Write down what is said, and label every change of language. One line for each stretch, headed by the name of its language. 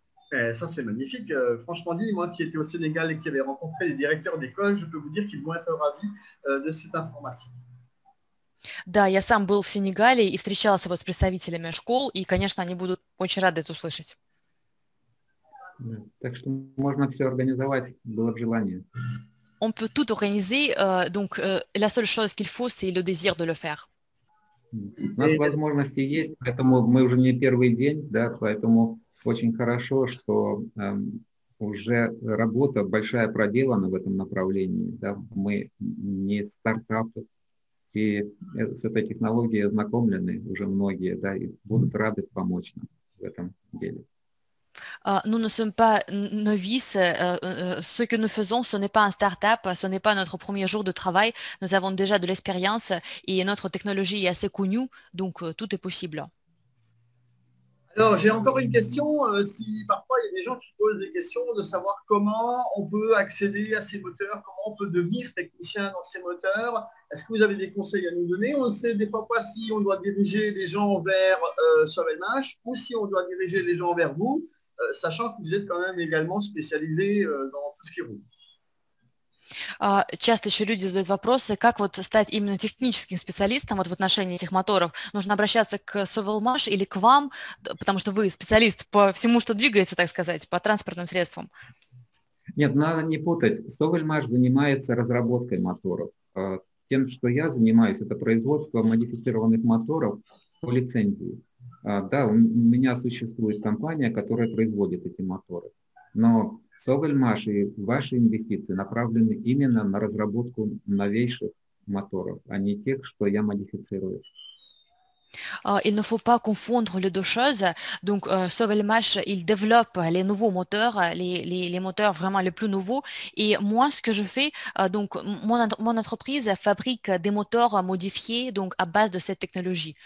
French: Et ça c'est magnifique, franchement dit, moi qui étais au Sénégal et qui avais rencontré les directeurs d'école, je peux vous dire qu'ils vont être ravis de cette information.
Russian: Да, я сам был в Сенегале и встречался вот с представителями школ, и, конечно, они будут очень рады это услышать. Так что можно все организовать, было бы желание.
French: On peut tout organiser, donc la seule chose qu'il faut, c'est le désir de le faire.
Russian: У нас возможности есть, поэтому мы уже не первый день, да, поэтому очень хорошо, что уже работа большая проделана в этом направлении, да, мы не стартап. И с этой технологией ознакомлены уже многие, да, и будут рады помочь нам в этом деле.
French: Nous ne sommes pas novices. Ce que nous faisons, ce n'est pas un start-up, ce n'est pas notre premier jour de travail. Nous avons déjà de l'expérience et notre technologie est assez connue, donc tout est possible. Alors, j'ai encore une question. Si parfois il y a des gens qui posent des questions de savoir comment on peut accéder à ces moteurs, comment on peut devenir technicien dans ces moteurs, est-ce que vous avez des conseils à nous donner? On ne sait des fois pas si on doit diriger les gens vers SolMH ou si on doit diriger les gens vers vous, sachant que vous êtes quand même également spécialisé dans tout ce qui roule.
Russian: Часто еще люди задают вопросы, как вот стать именно техническим специалистом вот в отношении этих моторов. Нужно обращаться к Совелмаш или к вам, потому что вы специалист по всему, что двигается, так сказать, по транспортным средствам. Нет, надо не путать. Совелмаш занимается разработкой моторов. Тем, что я занимаюсь, это производство модифицированных моторов по лицензии. Да, у меня существует компания, которая производит эти моторы. Но Совелмаш и ваши инвестиции направлены именно на разработку новейших моторов, а не тех, что я модифицирую.
French: Il ne faut pas confondre les deux choses. Donc, Sovelmash, il développe les nouveaux moteurs, les moteurs vraiment les plus nouveaux. Et moi, ce que je fais, donc, mon entreprise fabrique des moteurs modifiés donc, à base de cette technologie.